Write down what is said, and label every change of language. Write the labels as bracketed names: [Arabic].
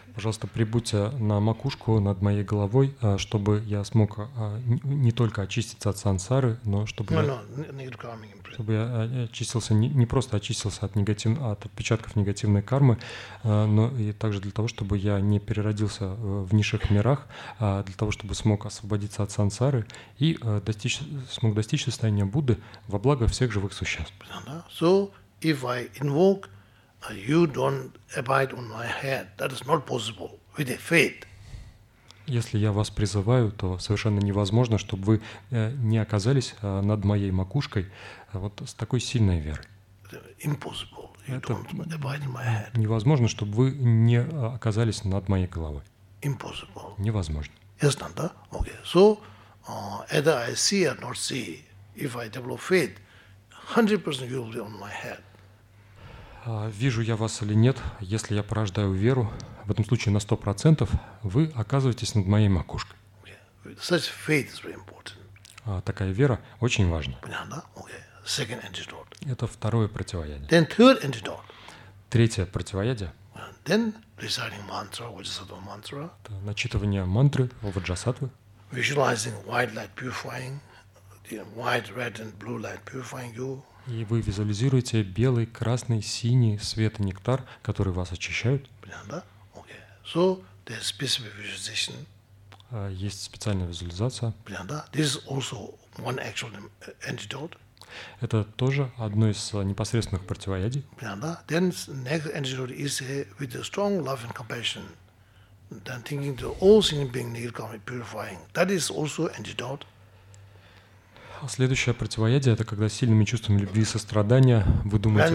[Russian] Пожалуйста, прибудьте на макушку над моей головой, чтобы я смог не только очиститься от сансары, но чтобы чтобы я очистился не просто очистился от отпечатков негативной кармы, но и также для того, чтобы я не переродился в низших мирах, для того, чтобы смог освободиться от сансары и смог достичь состояния Будды во благо всех живых существ. [English] So, if I invoke, you don't abide on my head. That is not possible with a faith. [Russian] Если я вас призываю, то совершенно невозможно, чтобы вы не оказались над моей макушкой вот с такой сильной верой. [English] Impossible. You don't abide on my head. [Russian] Невозможно, чтобы вы не оказались над моей головой. [English] Impossible. [Russian] Невозможно. [English] Yes, not, да? Okay. So, either I see or not see, if I develop faith, 100% you will be on my head. [Russian] Вижу я вас или нет, если я порождаю веру, в этом случае на 100%, вы оказываетесь над моей макушкой. [English] Okay. Such faith is very important. [Russian] Такая вера очень важна. [English] Понятно, да? Okay. Second antidote. [Russian] Это второе противоядие. [English] Then third antidote. [Russian] Третье противоядие. [English] Then reciting mantra, Vajrasattva mantra. [Russian] Это начитывание мантры Vajrasattva. [English] Visualizing white light purifying, the white, red and blue light purifying you. [Russian] И вы визуализируете белый, красный, синий свет и нектар, который вас очищают. [English] Да? Okay. So, there's specific visualization. [Russian] Есть специальная визуализация. [English] Да? This is also one actual antidote. [Russian] Это тоже одно из непосредственных противоядий. Да? [English] Then next antidote is with the strong love and compassion. Then thinking to all sentient beings need to be purifying. That is also antidote. [Russian] Следующее противоядие – это когда сильными чувствами любви и сострадания вы думаете,